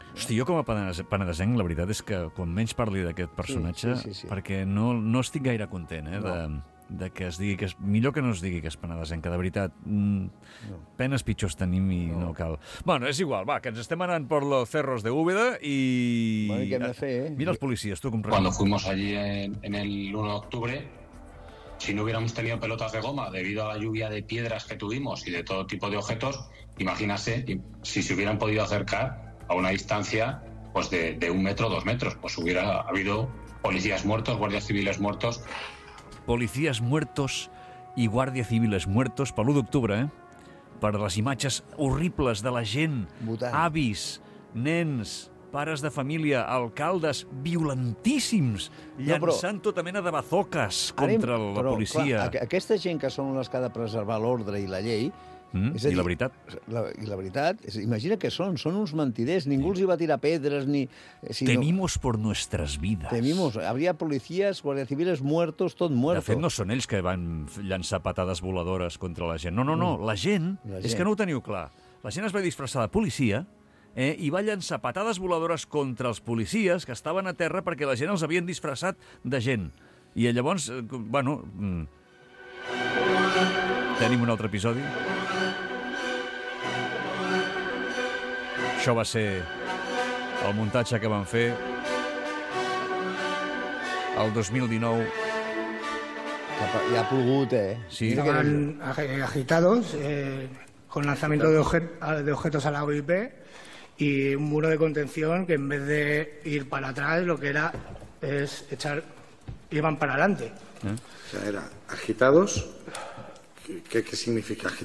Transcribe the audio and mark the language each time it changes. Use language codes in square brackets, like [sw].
[ca] Hosti, jo com a penedesenc, la veritat és que quan menys parli d'aquest personatge, perquè no estic gaire content, de que es digui que és millor que no es digui que és penedesenca, de veritat. Penes pitjors tenim i no cal. Bueno, és igual, va, que ens estem anant [es] per los cerros de Úbeda [ca] i... Bueno, què hem de fer, eh? Mira els policies, tu, comprens. [es] Cuando fuimos allí en el 1 d'octubre, si no hubiéramos tenido pelotas de goma debido a la lluvia de piedras que tuvimos y de todo tipo de objetos, imagínase si se hubieran podido acercar a una distancia pues de un metro o dos metros. Pues hubiera habido policías muertos, guardias civiles muertos. Policías muertos y guardias civiles muertos [ca] pel 1 d'octubre, eh? Per les imatges horribles de la gent, Butant. Avis, nens, pares de família, alcaldes violentíssims, llançant tota mena de bazoques contra la policia. Clar, aquesta gent que són les que ha de preservar l'ordre i la llei... La veritat. Imagina que són uns mentiders. Ningú els hi va tirar pedres ni... Sinó... [es] Temimos por nuestras vidas. Temimos. Habría policías, guardias civiles muertos, [ca] tot [es] muerto. [ca] De fet, no són ells que van llançar patades voladores contra la gent. No. La gent. És que no ho teniu clar. La gent es va disfressar de policia, eh? I va llançar patades voladores contra els policies que estaven a terra perquè la gent els havien disfressat de gent. I llavors, bueno... Tenim un altre episodi. Això va ser el muntatge que van fer el 2019. Ja ha plogut, eh? Sí. [es] Estaban agitados, con lanzamiento de objetos a la OIP y un muro de contención que en vez de ir para atrás, lo que era es echar... Iban para adelante. O sea, era agitados... ¿Qué significa?